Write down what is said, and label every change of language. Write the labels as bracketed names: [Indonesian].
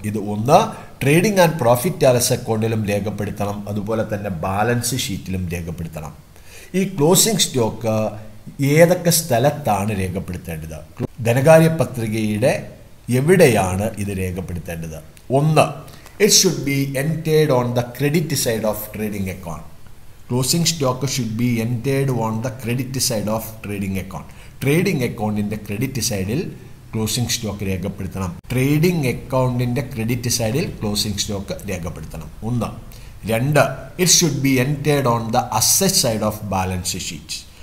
[Malayalam] ഇത് ഒന്ന് trading and profit loss അക്കൗണ്ടിലും രേഖപ്പെടുത്തണം, അതുപോലെ തന്നെ ബാലൻസ് ഷീറ്റിലും രേഖപ്പെടുത്തണം. ഈ ക്ലോസിംഗ് സ്റ്റോക്ക് ഏതൊക്കെ സ്ഥലത്താണ് രേഖപ്പെടുത്തേണ്ടത്? ധനകാര്യ പത്രികയുടെ എവിടെയാണ് ഇത് രേഖപ്പെടുത്തേണ്ടത്? ഒന്ന്, [English] It should be entered on the credit side of trading account. Closing stock should be entered on the credit side of trading account. [Malayalam] Trading അക്കൗണ്ടിൻ്റെ ക്രെഡിറ്റ് സൈഡിൽ ക്ലോസിംഗ് സ്റ്റോക്ക് രേഖപ്പെടുത്തണം. ട്രേഡിംഗ് അക്കൗണ്ടിൻ്റെ ക്രെഡിറ്റ് സൈഡിൽ ക്ലോസിംഗ് സ്റ്റോക്ക് രേഖപ്പെടുത്തണം. ഒന്ന്. രണ്ട്, [English] It should be entered on the asset side of balance sheet.